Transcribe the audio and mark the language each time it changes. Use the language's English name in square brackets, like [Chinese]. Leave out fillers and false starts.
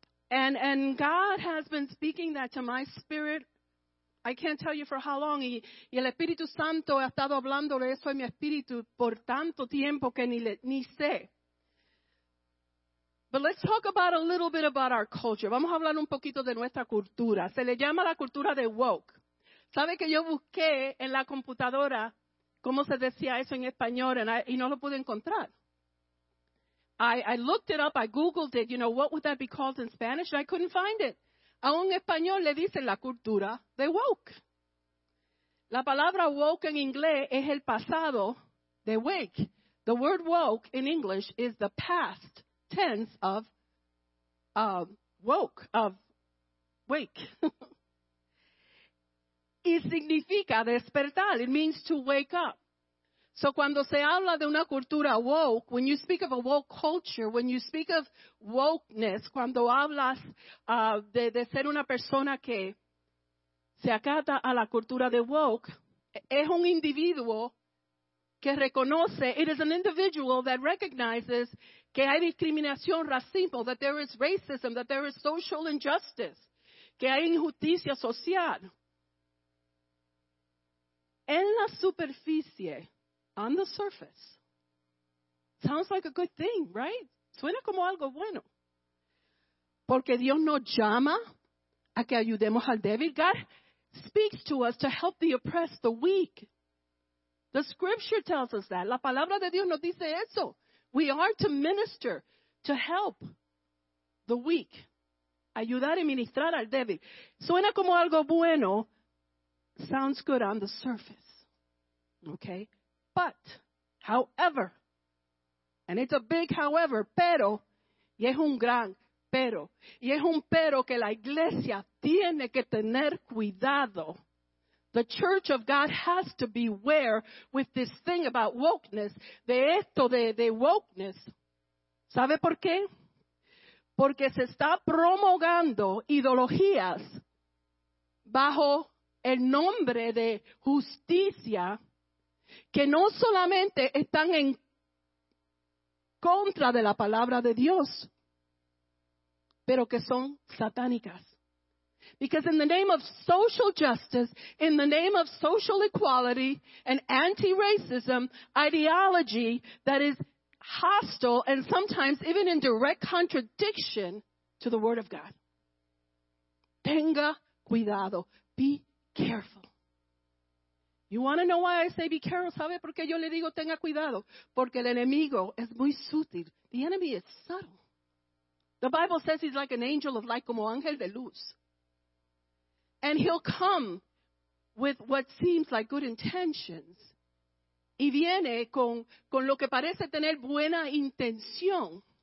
[English] And God has been speaking that to my spirit. I can't tell you for how long. [Spanish] Y el Espíritu Santo ha estado hablando de eso en mi espíritu por tanto tiempo que ni sé. [English] But let's talk about a little bit about our culture. [Spanish] Vamos a hablar un poquito de nuestra cultura. Se le llama la cultura de woke. ¿Sabe que yo busqué en la computadora cómo se decía eso en español y no lo pude encontrar? [English] I looked it up. I Googled it. You know, what would that be called in Spanish? And I couldn't find it. [Spanish] A un español le dicen la cultura de woke. La palabra woke en inglés es el pasado de wake. [English] The word woke in English is the past tense of woke, of wake. [Spanish] Y significa despertar. [English] It means to wake up. So [Spanish] cuando se habla de una cultura woke, [English] when you speak of a woke culture, when you speak of wokeness, [Spanish] cuando hablas de ser una persona que se acata a la cultura de woke, es un individuo que reconoce, [English] it is an individual that recognizes [Spanish] que hay discriminación, racismo, [English] that there is racism, that there is social injustice, [Spanish] que hay injusticia social. En la superficie, [English] on the surface. Sounds like a good thing, right? [Spanish] Suena como algo bueno. Porque Dios nos llama a que ayudemos al débil. [English] God speaks to us to help the oppressed, the weak. The scripture tells us that. [Spanish] La palabra de Dios nos dice eso. [English] We are to minister, to help the weak. [Spanish] Ayudar y ministrar al débil. Suena como algo bueno. [English] Sounds good on the surface. Okay? But, however, and it's a big however, [Spanish] pero, y es un gran pero, y es un pero que la iglesia tiene que tener cuidado. [English] The church of God has to beware with this thing about wokeness, [Spanish] de esto de wokeness. ¿Sabe por qué? porque se está promulgando ideologías bajo el nombre de justicia que no solamente están en contra de la palabra de Dios, pero que son satánicas. [English] Because in the name of social justice, in the name of social equality and anti-racism ideology that is hostile and sometimes even in direct contradiction to the word of God. [Spanish] Tenga cuidado. [English] Be careful. You want to know why I say be careful? [Spanish] ¿Sabe por qué yo le digo tenga cuidado? Porque el enemigo es muy sutil. [English] The enemy is subtle. The Bible says he's like an angel of light, [Spanish] como ángel de luz. [English] And he'll come with what seems like good intentions. [Spanish] Y viene con lo que parece tener buena intención.